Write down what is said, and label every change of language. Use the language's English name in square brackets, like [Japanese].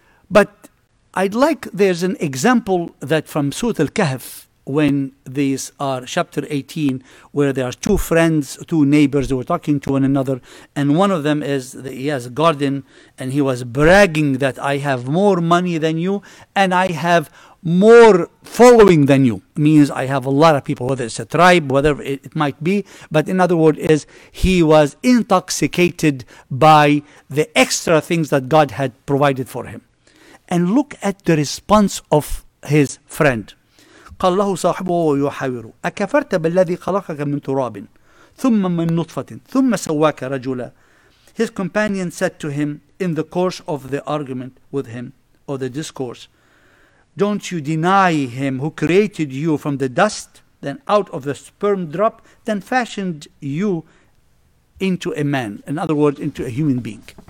[English] But I'd like, there's an example that from Surah Al-Kahf, when these are chapter 18, where there are two friends, two neighbors, they were talking to one another, and one of them is, he has a garden, and he was bragging that I have more money than you, and I have more following than you. Means I have a lot of people, whether it's a tribe, whatever it might be. But in other words, is he was intoxicated by the extra things that God had provided for him. And look at the response of his friend. [Arabic] قال له صاحبه ويحاوره أكفرت بالذي خلقك من تراب ثم من نطفة ثم سواك رجلا. [English] His companion said to him in the course of the argument with him, or the discourse, don't you deny him who created you from the dust, then out of the sperm drop, then fashioned you into a man, in other words, into a human being.